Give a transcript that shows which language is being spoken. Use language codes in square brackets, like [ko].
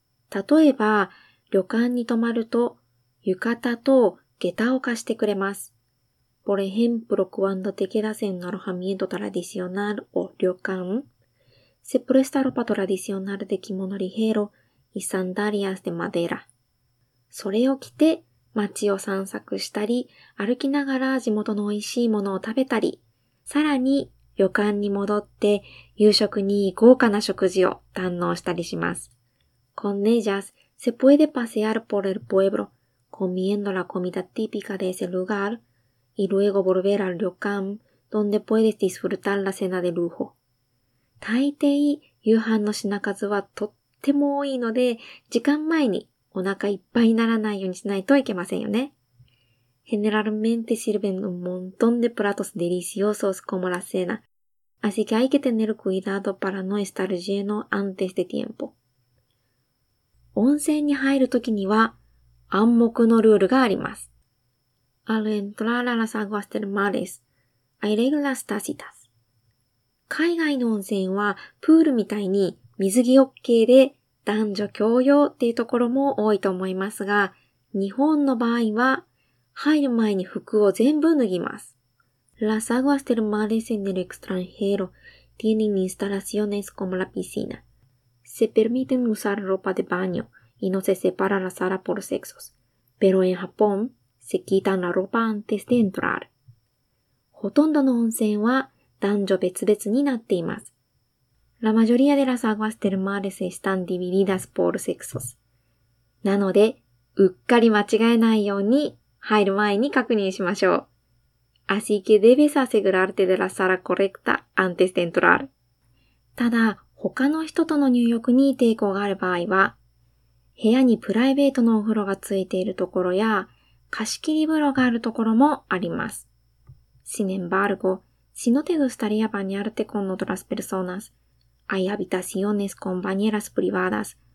[ja] 例えば、旅館に泊まると浴衣と下駄を貸してくれます。 [es] Por ejemplo, cuando te quedas en un alojamiento tradicional o ryokan, se presta ropa tradicional de kimono ligero y sandalias de madera. [ja] それを着て街を散策したり、歩きながら地元の美味しいものを食べたり、さらに旅館に戻って夕食に豪華な食事を堪能したりします。 [es] Con ellas se puede pasear por el pueblo, comiendo la comida típica de ese lugar,y luego volver al ryokan, donde puedes disfrutar la cena de lujo. [ja] 大抵、夕飯の品数はとっても多いので、時間前にお腹いっぱいにならないようにしないといけませんよね。 [es] Generalmente sirven un montón de platos deliciosos como la cena, así que hay que tener cuidado para no estar lleno antes de tiempo. [ja] 温泉に入るときには、暗黙のルールがあります。 [es] Al entrar a las aguas termales, hay reglas tácitas. [ja] 海外の温泉はプールみたいに水着 OK で男女共用っていうところも多いと思いますが、日本の場合は入る前に服を全部脱ぎます。 [es] Las aguas termales en el extranjero tienen instalaciones como la piscina. Se permiten usar ropa de baño y no se separa la sala por sexos. Pero en Japón,Se quitan la ropa antes de entrar. [ja] ほとんどの温泉は男女別々になっています。 [es] La mayoría de las aguas termales están divididas por sexos. [ja] なので、うっかり間違えないように入る前に確認しましょう。 [es] Así que debes asegurarte de la sala correcta antes de entrar. [ja] ただ、他の人との入浴に抵抗がある場合は、部屋にプライベートのお風呂がついているところや、貸切風呂があるところもあります。 [es] Sin embargo, si no te gustaría bañarte con otras personas, hay habitaciones con bañeras privadas